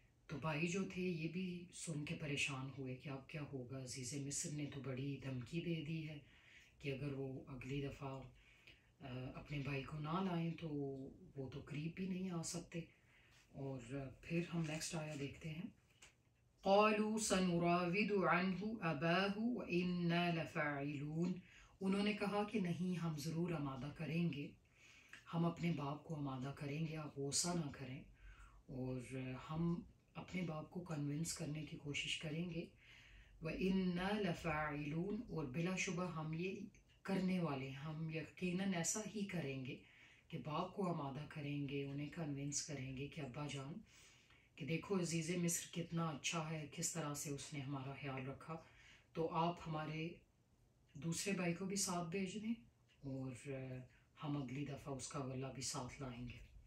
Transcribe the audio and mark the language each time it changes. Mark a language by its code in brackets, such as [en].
[hi] तो भाई जो थे ये भी सुन के परेशान हुए कि अब क्या होगा। अज़ीज़ मिस्र ने तो बड़ी धमकी दे दी है कि अगर वो अगली दफ़ा अपने भाई को ना लाएं तो वो तो करीब भी नहीं आ सकते। और फिर हम नेक्स्ट आया देखते हैं। [ar] قالوا سنراود عنه أباه وإنا لفاعلون। [hi] उन्होंने कहा कि नहीं, हम ज़रूर आमादा करेंगे, हम अपने बाप को आमादा करेंगे, आप गुस्सा ना करें, और हम अपने बाप को कन्विंस करने की कोशिश करेंगे। [ar] व इन्ना लफाइलून, [hi] और बिलाशुबा हम ये करने वाले हैं, हम यकीनन ऐसा ही करेंगे कि बाप को आमादा करेंगे, उन्हें कन्विंस करेंगे कि अब्बा जान कि देखो अज़ीज़े मिस्र कितना अच्छा है, किस तरह से उसने हमारा ख्याल रखा, तो आप हमारे दूसरे भाई को भी साथ भेज दें और हम अगली दफ़ा उसका गला भी साथ लाएंगे।